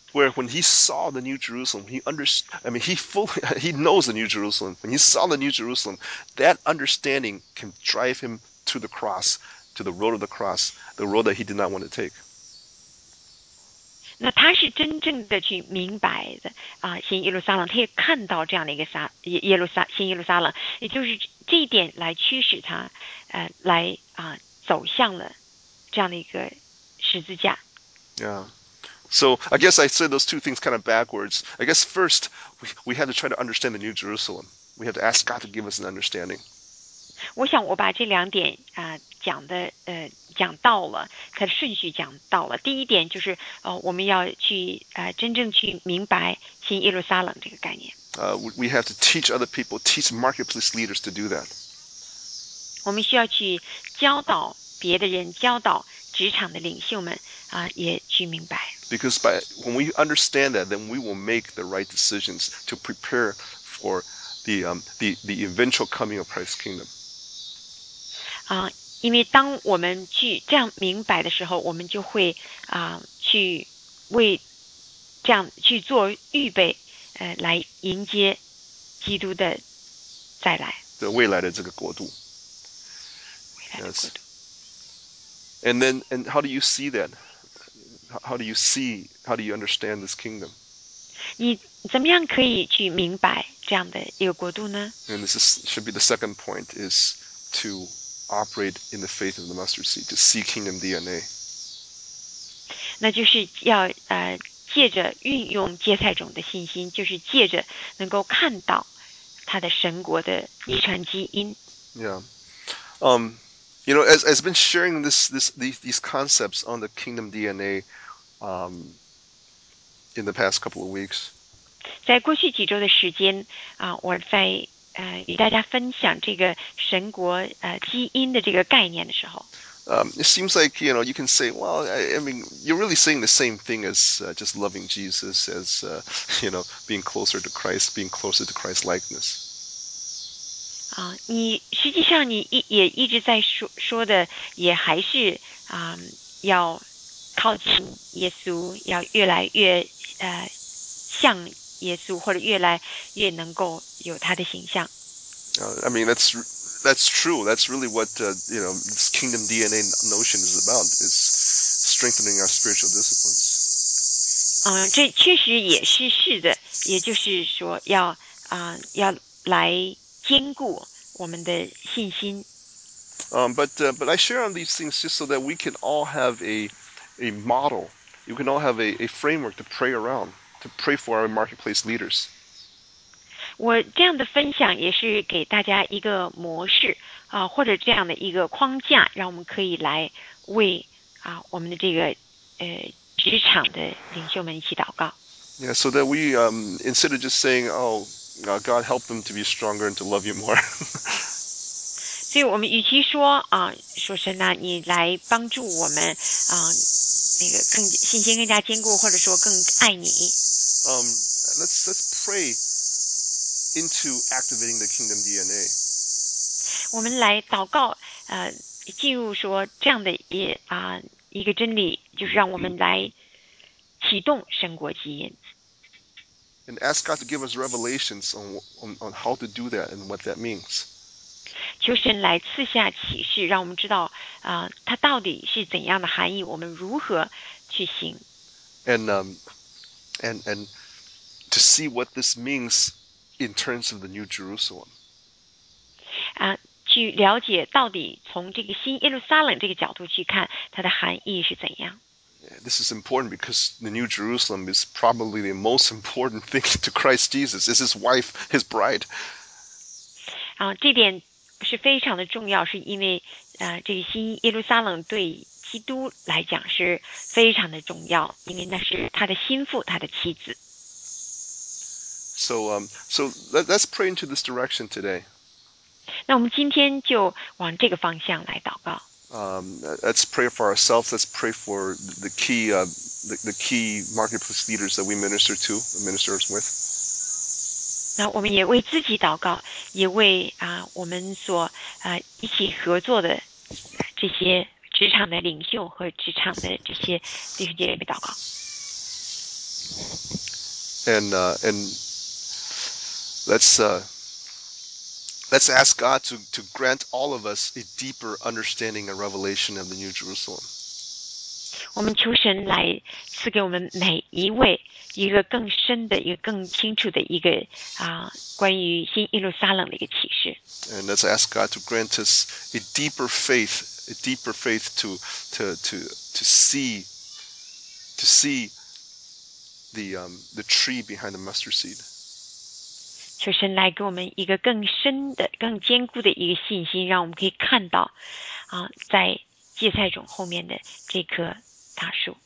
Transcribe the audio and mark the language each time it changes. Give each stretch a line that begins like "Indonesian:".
English: Where when he saw the New Jerusalem, he knows the New Jerusalem. When he saw the New Jerusalem, that understanding can drive him to the cross, to the road of the cross, the road that he did not want to take.
Chinese: 那他是真正的去明白的啊，新耶路撒冷，他也看到这样的一个撒耶路撒新耶路撒冷，也就是这一点来驱使他，来啊走向了这样的一个十字架。
English: Yeah. So I guess I said those two things kind of backwards. I guess first we had to try to understand the New Jerusalem. We had to ask God to give us an understanding.
Chinese: 我想我把这两点讲的讲到了，它的顺序讲到了。第一点就是我们要去真正去明白新耶路撒冷这个概念。
English: We have to teach other people, teach marketplace leaders to do that.
Chinese: 我们需要去教导别的人，教导职场的领袖们也去明白。
English: Because when we understand that, then we will make the right decisions to prepare for the eventual coming of Christ's kingdom.
Chinese: 因为当我们去这样明白的时候，我们就会去为这样去做预备，来迎接基督的再来。的未来的这个国度。未来的国
English: Yes.
Chinese: 度。
English: And how do you see that? How do you understand this kingdom?
Chinese: 你怎么样可以去明白这样的一个国度呢？
English: And this should be the second point is to operate in the faith of the mustard seed, to see kingdom DNA.
Chinese: 那就是要借着运用芥菜种的信心，就是借着能够看到他的神国的遗传基因。
English: You know, as I've been sharing these concepts on the kingdom DNA, in the past couple of weeks.
Chinese: 在过去几周的时间我在与大家分享这个神国基因的这个概念的时候。
English: It seems like, you know, you can say, well, I mean, you're really saying the same thing as just loving Jesus, as you know, being closer to Christ, being closer to Christ likeness.
Chinese: 你实际上你也一直在说的，也还是要靠近耶稣，要越来越像耶稣，或者越来越能够有他的形象。
English: I mean, that's true. That's really what you know, this kingdom DNA notion is about, is strengthening our spiritual disciplines.
Chinese: 这确实也是是的，也就是说要来坚固我们的信心。
English: But I share on these things just so that we can all have a model. You can all have a framework to pray around, to pray for our marketplace leaders.
Chinese: 我这样的分享也是给大家一个模式或者这样的一个框架，让我们可以来为我们的这个职场的领袖们一起祷告。
English: Yeah, so that we instead of just saying, "Oh, God help them to be stronger and to love you more."
Chinese: 所以我们与其说说神呐，你来帮助我们那个更信心更加坚固，或者说更爱你。
English: Let's pray into activating the kingdom DNA.
Chinese: 我们来祷告，进入说这样的一个真理，就是让我们来启动神国基因。
English: And ask God to give us revelations on how to do that and what that means.
Chinese: 求神来赐下启示，让我们知道它到底是怎样的含义，我们如何去行。
English: And to see what this means in terms of the New Jerusalem.
Chinese: 去了解到底从这个新耶路撒冷这个角度去看，它的含义是怎样。
English: This is important because the New Jerusalem is probably the most important thing to Christ Jesus. It's his wife, his bride.
Chinese: 这点是非常的重要，是因为这个新耶路撒冷对基督来讲是非常的重要，因为那是他的心腹，他的妻子。
English: So let's pray into this direction today.
Chinese: 那我们今天就往这个方向来祷告。
English: Let's pray for ourselves. Let's pray for the key marketplace leaders that we minister to, ministers with.
Chinese: 那我们也为自己祷告，也为我们所一起合作的这些职场的领袖和职场的这些弟兄姐妹祷告。
English: Let's ask God to grant all of us a deeper understanding and revelation of the New Jerusalem.
Chinese: 我们求神来赐给我们每一位一个更深的、一个更清楚的一个关于新耶路撒冷的一个启示。
English: And let's ask God to grant us a deeper faith to see the tree behind the mustard seed.
Chinese: 求神来给我们一个更深的、更坚固的一个信心，让我们可以看到在芥菜种后面的这棵大树。